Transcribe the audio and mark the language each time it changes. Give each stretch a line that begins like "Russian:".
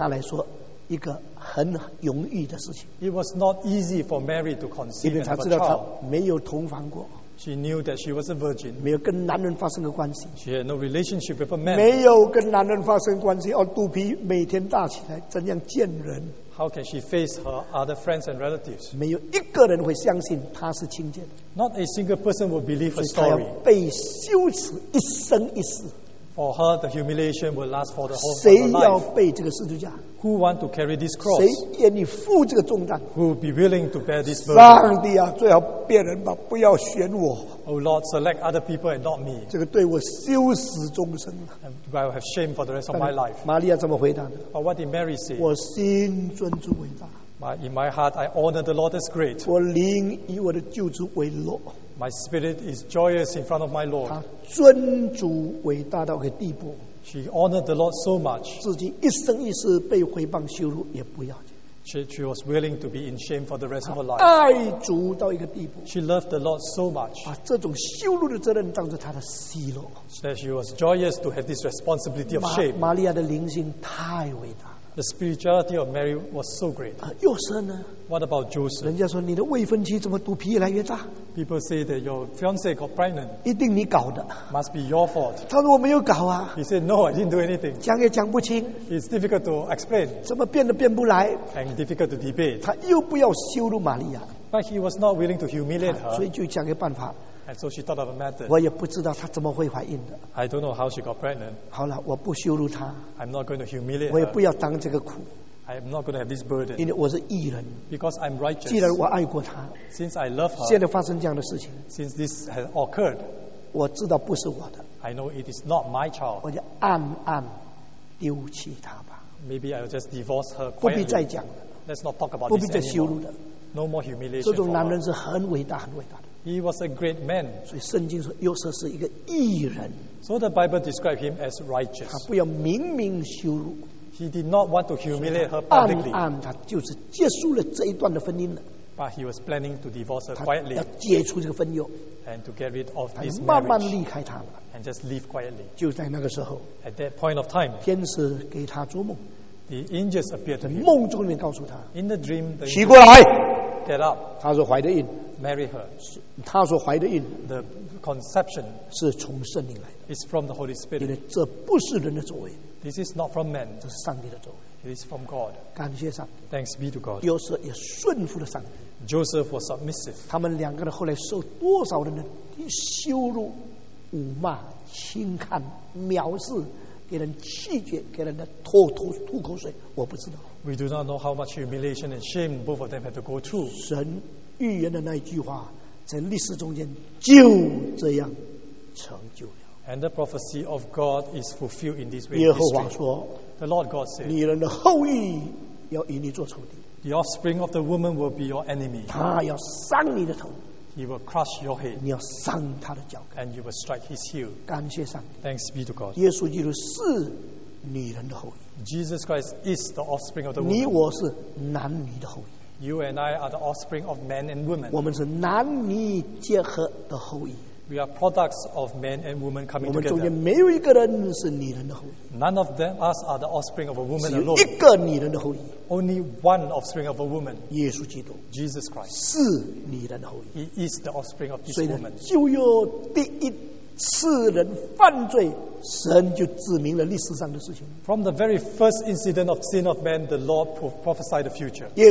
Chinese: 玛利亚怀孕不是一件对她来说一个很容易的事情。
English: It was not easy for Mary to conceive and have a child.
Chinese: 因为她知道她没有同房过。
English: She knew that she was a virgin.
Chinese: 没有跟男人发生过关系。
English: She had no relationship with a man.
Chinese: 没有跟男人发生关系, 肚皮每天大起来怎样见人。
English: How can she face her other friends and relatives?
Chinese: 没有一个人会相信她是清洁。
English: Not a single person will believe her story.
Chinese: 所以她要被羞耻一生一世。
English: For her, the humiliation will last for the whole life.
Chinese: 谁要背这个十字架?
English: Who want to carry this cross?
Chinese: 谁愿意负这个重担?
English: Who will be willing to bear this burden?
Chinese: 上帝啊, 最好别人吧, 不要选我。
English: Oh Lord, select other people and not me.
Chinese: 这个对我羞耻终生了。
English: I will have shame for the rest of my life.
Chinese: 玛利亚怎么回答呢?
English: But what did Mary say?
Chinese: 我心尊主伟大。
English: In my heart, I honor the Lord as great.
Chinese: 我灵以我的救主为乐。
English: My spirit is joyous in front of my Lord.
Chinese: 她尊主伟大到一个地步,
English: she honored the Lord so much.
Chinese: 自己一生一世被毁谤羞辱,
English: she was willing to be in shame for the rest of her life.
Chinese: 爱主到一个地步,
English: she loved the Lord so much.
Chinese: 把这种羞辱的责任当作她的喜乐,
English: so that she was joyous to have this responsibility of shame.
Chinese: 玛利亚的灵性太伟大,
English: the spirituality of Mary was so great.
Chinese: 又生呢?
English: What about Joseph?
Chinese: 人家说你的未婚妻怎么肚皮越来越大?
English: People say that your fiancé got pregnant.
Chinese: 一定你搞的,
English: must be your fault.
Chinese: 他说我没有搞啊,
English: he said no, I didn't do anything.
Chinese: 讲也讲不清,
English: it's difficult to explain.
Chinese: 怎么变都变不来,
English: and difficult to debate.
Chinese: 他又不要羞辱玛利亚,
English: but he was not willing to humiliate her.
Chinese: 所以就讲个办法,
English: and so she thought of a method.
Chinese: 我也不知道她怎么会怀孕的,
English: I don't know how she got pregnant.
Chinese: 好了，我不羞辱她,
English: I'm not going to humiliate her.
Chinese: 我也不要当这个苦,
English: I'm not going to have this burden.
Chinese: 因为我是义人,
English: because I'm righteous.
Chinese: 既然我爱过她,
English: since I love her,
Chinese: 现在发生这样的事情,
English: since this has occurred,
Chinese: 我知道不是我的,
English: I know it is not my child.
Chinese: 我就暗暗丢弃她吧,
English: maybe I'll just divorce her quietly.
Chinese: 不必再讲了,
English: let's not talk about
Chinese: 不必再羞辱的,
English: this anymore. No more humiliation.
Chinese: 这种男人是很伟大很伟大的。
English: He was a great man.
Chinese: 所以圣经说约瑟是一个义人,
English: so the Bible described him as righteous.
Chinese: 他不要明明羞辱,
English: he did not want to humiliate her publicly.
Chinese: 暗暗他就是结束了这一段的婚姻了,
English: but he was planning to divorce her quietly.
Chinese: 他要解除这个婚约,
English: and to get rid of this marriage.
Chinese: 他慢慢离开他了,
English: and just leave quietly.
Chinese: 就在那个时候,
English: at that point of time,
Chinese: 天使给他做梦,
English: the angels appeared to him.
Chinese: 梦中里面告诉他,
English: in the dream, the angel,
Chinese: 起过来,
English: get up.
Chinese: 他说怀着孕,
English: marry her.
Chinese: 她所怀的孕,
English: the conception is from the Holy Spirit.
Chinese: 因为这不是人的作为,
English: this is not from man.
Chinese: 这是上帝的作为,
English: it is from God.
Chinese: 感谢上帝,
English: thanks be to God.
Chinese: 约瑟也顺服了上帝,
English: Joseph was submissive.
Chinese: 他们两个人后来受多少人的羞辱, 辱骂, 轻看, 藐视, 给人气绝, 给人吐口水, 我不知道。
English: We do not know how much humiliation and shame both of them had to go through.
Chinese: 神预言的那一句话, 在历史中间就这样成就了。
English: And the prophecy of God is fulfilled in this way.
Chinese: 耶和华说,
English: the Lord God said,
Chinese: 你人的后裔要与你做仇敌。
English: The offspring of the woman will be your enemy.
Chinese: 他要伤你的头。
English: He will crush your head.
Chinese: 你要伤他的脚跟。
English: And you will strike his heel.
Chinese: 感谢上帝。
English: Thanks be to God.
Chinese: 耶稣基督是 女人的后裔。
English: Jesus Christ is the offspring of the woman.
Chinese: 你我是男女的后裔。
English: You and I are the offspring of men and women.
Chinese: 我们是男女结合的后裔。
English: We are products of men and women coming together.
Chinese: 我们中间没有一个人是女人的后裔。
English: None of them us are the offspring of a woman alone.
Chinese: 只有一个女人的后裔。
English: Only one offspring of a woman.
Chinese: 耶稣基督。
English: Jesus Christ.
Chinese: 是女人的后裔。
English: He is the offspring of this woman.
Chinese: 所以旧约第一 世人犯罪，神就指明了历史上的事情。
English: From the very first incident of sin of man, the Lord prophesied the future.